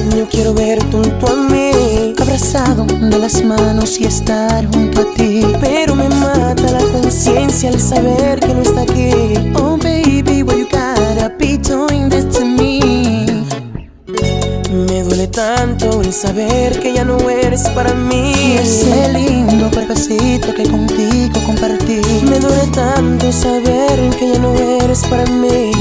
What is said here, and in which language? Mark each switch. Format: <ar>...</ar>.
<es>Quiero verte junto a mí, abrazado de las manos y estar junto a ti. Pero me mata la conciencia al saber que no está aquí.</es> <en>Oh baby, why you gotta be doing this to me?</en> <es>Me duele tanto el saber que ya no eres para mí. Y ese lindo cuerpecito que contigo compartí. Me duele tanto saber que ya no eres para mí.</es>